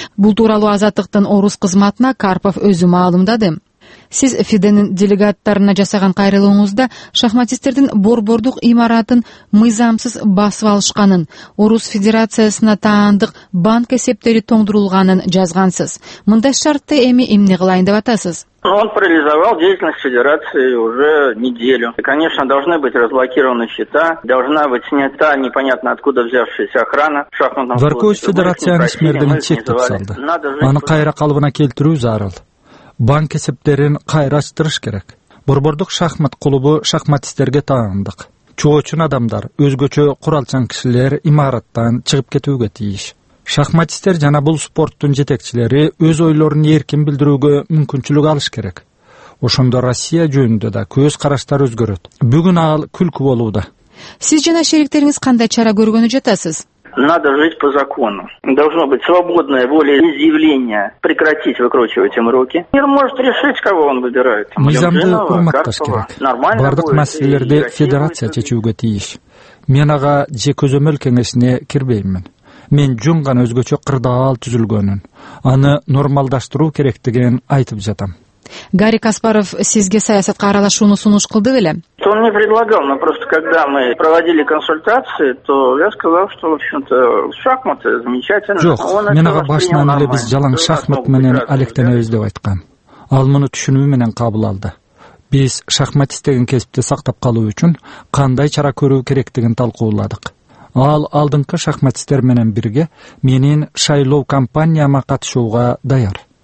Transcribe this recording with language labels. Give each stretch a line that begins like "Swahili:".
Kyrgyz: Бул тууралуу Азаттыктын орус кызматына Карпов өзү маалымдады. Сиз ФИДЕнин делегаттарына жасаган кайрылууңузда шахматисттердин борбордук имаратын мыйзамсыз басып алышканын, Орус Федерациясына таандык банк эсептери тоңдурулганын жазгансыз. Мындай шартты эми эмне кылайын деп атасыз?
Russian: Он парализовал деятельность федерации уже неделю. Конечно, должны быть разблокированы счета, должна быть снята непонятно откуда взявшаяся охрана.
Kyrgyz: Дворкович федерацияны смердимин чектеп салды. Аны кайра калыбына келтирүү зарыл. Банк эсептерин кайра ачтырыш керек. Борбордук шахмат клубу шахматисттерге таандык. Чоочун адамдар, өзгөчө куралчан кишилер имараттан чыгып кетүүгө тийиш. Шахматисттер жана бул спорттун жетекчилери өз ойлорун эркин билдирүүгө мүмкүнчүлүк алыш керек. Ошондо Россия жөнүндө да көз караштар өзгөрөт. Бүгүн ал күлкү болууда. Сиз жана шериктериңиз кандай чара көргөнү жатасыз?
Russian: Надо жить по закону. Должно быть свободное волеизъявление. Прекратить выкручивать им руки. Мир может решить, кого он выбирает.
Kyrgyz: Мыйзамды урматташ керек. Бардык маселелерди федерация чечүүгө тийиш. Мен ага же көзөмөл кеңешине кирбеймин. Мен жөн гана өзгөчө кырдаал түзүлгөнүн, аны нормалдаштыруу керектигин айтып жатам. Гарри Каспаров сизге саясатка аралашууну сунуш кылды беле?
Russian: Он мне предлагал, но просто когда мы проводили консультации, то я сказал, что, в общем-то, шахматы замечательно.
Kyrgyz: Жок, мен ага башынан эле биз жалаң шахмат менен алектенебиз деп айткан. Ал муну түшүнүү менен кабыл алды. Биз шахматист деген кесипти сактап калуу үчүн кандай чара көрүү керектигин талкууладык. Ал алдыңкы шахматисттер менен бирге менин шайлоо кампанияма катышууга даяр.